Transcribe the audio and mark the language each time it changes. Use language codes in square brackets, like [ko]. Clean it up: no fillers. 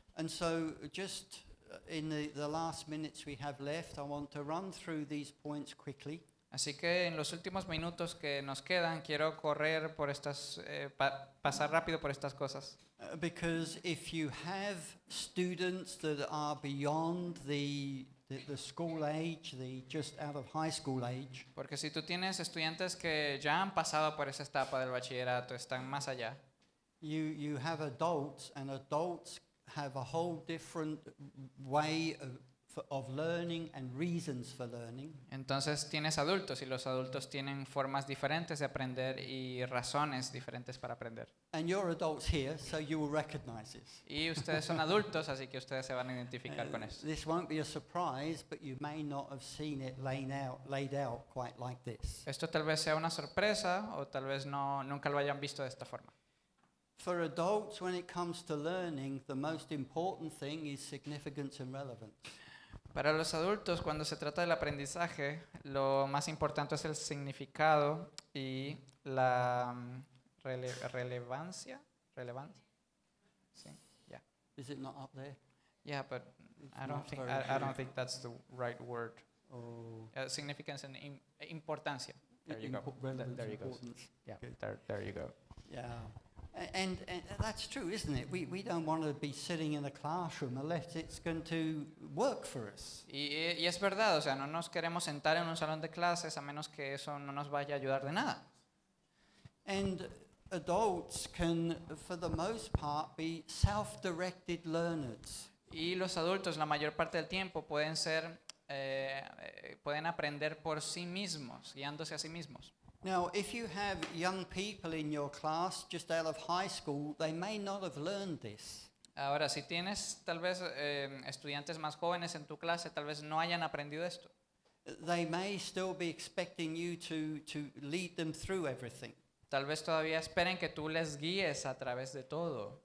[en] And so just in the last minutes we have left, I want to run through these points quickly. [es] Así que en los últimos minutos que nos quedan, quiero correr por estas, pasar rápido por estas cosas. [en] Because if you have students that are beyond the school age, the just out of high school age. [es] Porque si tú tienes estudiantes que ya han pasado por esa etapa del bachillerato, están más allá. [en] You have adults, and adults have a whole different way of learning and reasons for learning. [es] Entonces tienes adultos y los adultos tienen formas diferentes de aprender y razones diferentes para aprender. [en] And you're adults here, so you will recognize this. [es] Y ustedes son adultos, así que ustedes se van a identificar con eso. [en] This won't be a surprise, but you may not have seen it laid out quite like this. [es] Esto tal vez sea una sorpresa o tal vez no nunca lo hayan visto de esta forma. [en] For adults, when it comes to learning, the most important thing is significance and relevance. [es] Para los adultos, cuando se trata del aprendizaje, lo más importante es el significado y la relevancia. Relevancia. Sí. [en] Yeah. Is it not up there? Yeah, but I don't think that's the right word. Significance and importancia. There you go. Yeah. And that's true, isn't it? We don't want to be sitting in a classroom unless it's going to work for us. [es] Y es verdad, o sea, no nos queremos sentar en un salón de clases a menos que eso no nos vaya a ayudar de nada. [en] And adults can, for the most part, be self-directed learners. [es] Y los adultos, la mayor parte del tiempo, pueden ser, pueden aprender por sí mismos, guiándose a sí mismos. [en] Now, if you have young people in your class just out of high school, they may not have learned this. [es] Ahora, si tienes tal vez estudiantes más jóvenes en tu clase, tal vez no hayan aprendido esto. [en] They may still be expecting you to lead them through everything. [es] Tal vez todavía esperen que tú les guíes a través de todo.